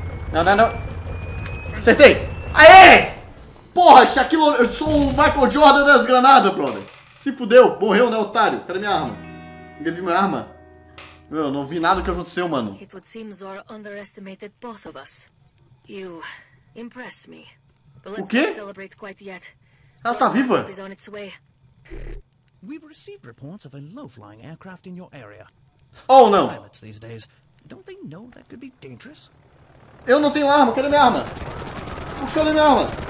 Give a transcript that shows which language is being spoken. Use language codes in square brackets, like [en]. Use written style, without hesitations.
[pt] Não. Acertei. Aê! Porra, Shaquille O'Neal, eu sou o Michael Jordan das granadas, brother. Se fudeu, morreu, né, otário? Cadê minha arma? Ninguém viu minha arma? Meu, eu não vi nada que aconteceu, mano. [en] It would seem Zor underestimated both of us. You impress me. But let's not celebrate quite yet. [pt] Ela tá viva? [en] We've received reports of a low-flying aircraft in your area. [pt] Oh, não. [en] Pilots these days. Don't they know that could be dangerous? [pt] Eu não tenho arma, cadê minha arma? Cadê minha arma?